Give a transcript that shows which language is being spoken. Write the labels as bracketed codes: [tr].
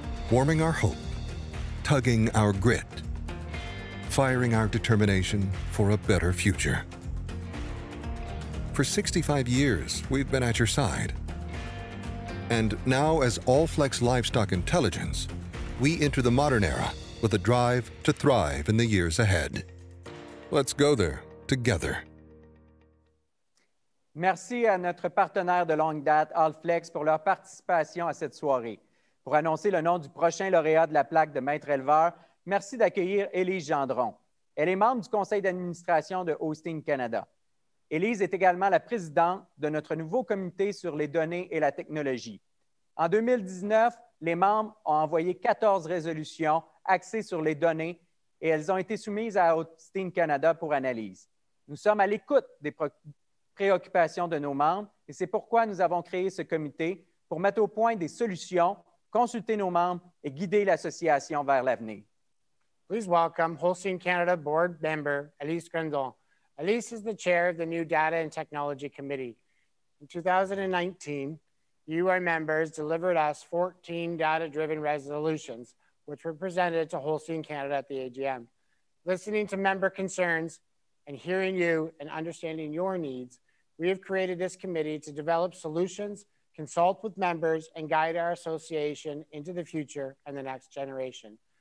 [en] Warming our hope, tugging our grit, firing our determination for a better future. For 65 years, we've been at your side. And now, as Allflex Livestock Intelligence, we enter the modern era with a drive to thrive in the years ahead. Let's go there together. [fr] Merci à notre partenaire de longue date, Allflex, pour leur participation à cette soirée. Pour annoncer le nom du prochain lauréat de la plaque de maître éleveur, merci d'accueillir Élise Gendron. Elle est membre du conseil d'administration de Hosting Canada. Élise est également la présidente de notre nouveau comité sur les données et la technologie. En 2019, les membres ont envoyé 14 résolutions axées sur les données et elles ont été soumises à Hosting Canada pour analyse. Nous sommes à l'écoute des préoccupations de nos membres et c'est pourquoi nous avons créé ce comité pour mettre au point des solutions, consulter nos membres et guider l'association vers l'avenir. [en] Please welcome Hosting Canada board member Élise Gendron. Élise is the chair of the new Data and Technology Committee. In 2019, you, our members, delivered us 14 data-driven resolutions, which were presented to Hosting Canada at the AGM. Listening to member concerns and hearing you and understanding your needs, we have created this committee to develop solutions, consult with members, and guide our association into the future and the next generation.